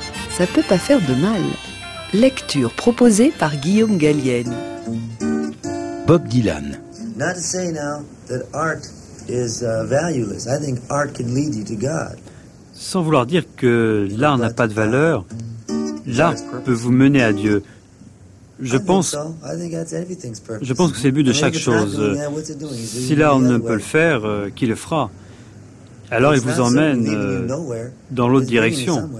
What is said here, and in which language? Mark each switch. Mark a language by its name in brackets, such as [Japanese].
[French] Ça peut pas faire de mal. Lecture proposée par Guillaume Gallienne. Bob Dylan. [English] Not to say now that art is valueless. I think art can lead you to God. [French] Sans vouloir dire que l'art n'a pas de valeur, l'art peut vous mener à Dieu. Je pense que c'est le but de chaque chose. Si l'art ne peut le faire, qui le fera? Alors il vous emmène dans l'autre direction.